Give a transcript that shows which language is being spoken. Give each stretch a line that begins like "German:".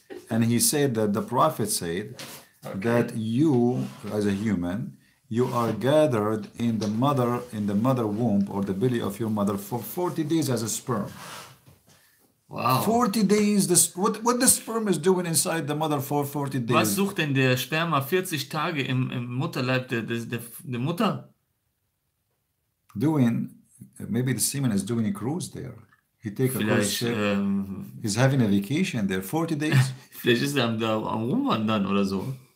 English: And he said that the prophet said that you, as a human, you are gathered in the mother womb or the belly of your mother for 40 days as a sperm. Wow. 40 days, what the sperm is doing inside the mother for 40 days.
German: Was sucht denn der Sperma 40 Tage im Mutterleib der Mutter?
English: Doing, maybe the semen is doing a cruise there. He take
German: Vielleicht,
English: a cruise ship. He's having a vacation there, 40 days.
German: Vielleicht ist er am, da, am Rumwandern oder so.